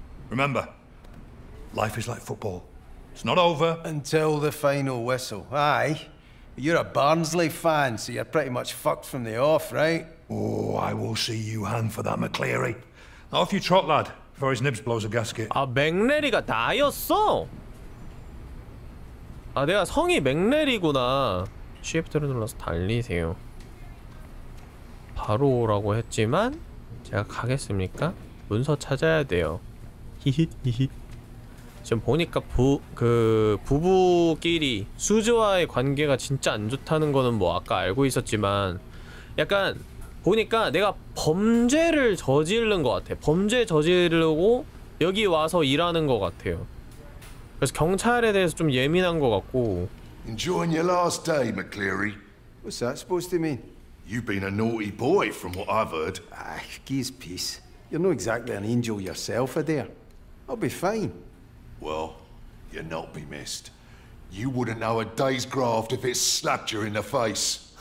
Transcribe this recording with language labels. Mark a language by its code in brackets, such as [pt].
[en] Remember, life is like football. It's not over until the final whistle. Aye. You're a Barnsley fan, so you're pretty much fucked from the off, right? Oh, I will see you hand for that, McClary. Off you trot, lad, before his nibs blows a gasket. [ko] 아, 맥내리가 나였어? 아, 내가 성이 맥내리구나. Shift를 눌러서 달리세요. 바로 오라고 했지만 제가 가겠습니까? 문서 찾아야 돼요. 히힛 히힛. 지금 보니까 부부끼리 수즈와의 관계가 진짜 안 좋다는 거는 뭐 아까 알고 있었지만, 약간 보니까 내가 범죄를 저지른 것 같아. 범죄 저지르고 여기 와서 일하는 것 같아요. 그래서 경찰에 대해서 좀 예민한 것 같고. [en] Enjoying your last day, McClary. What's that supposed to mean? You've been a naughty boy from what I've heard. Ah, geez, peace. You're not exactly an angel yourself, Adair. I'll be fine. Well, you'll not be missed. You wouldn't know a day's graft if it slapped you in the face.